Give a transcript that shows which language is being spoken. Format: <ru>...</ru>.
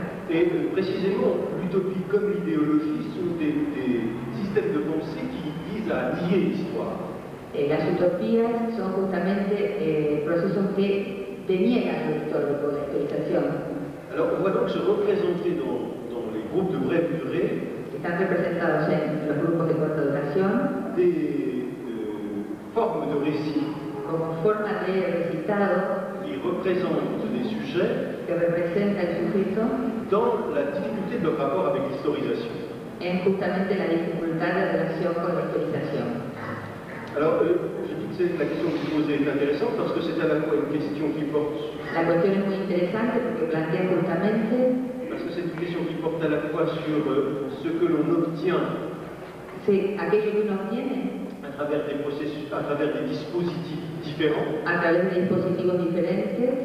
<fr>Et précisément, l'utopie comme l'idéologie sont des systèmes de pensée qui visent à nier l'histoire. Et les utopies sont justement des processus qui dénient l'histoire pour l'historisation. Alors, on voit donc se représenter dans les groupes de brève durée.</fr> <es>Están representados en los grupos de corta duración.</es> <fr>Des formes de récit.</fr> <es>Como forma de recitado.</es> <fr>Qui représente des sujets</fr> <es>que representa el sujeto</es> <fr>dans la difficulté de leur rapport avec l'historisation.</fr> <es>En justamente la dificultad de relación con la historización.</es> <fr>Alors, je dis que c'est la question que vous posez est intéressante parce que c'est à la fois une question qui porte.</fr> <es>La cuestión es muy interesante porque plantea justamente.</es> <fr>Parce que c'est une question qui porte à la fois sur ce que l'on obtient. C'est</fr> <es>aquello que uno obtiene.</es> <fr>À travers des dispositifs différents.</fr> <es>A través de dispositivos diferentes.</es>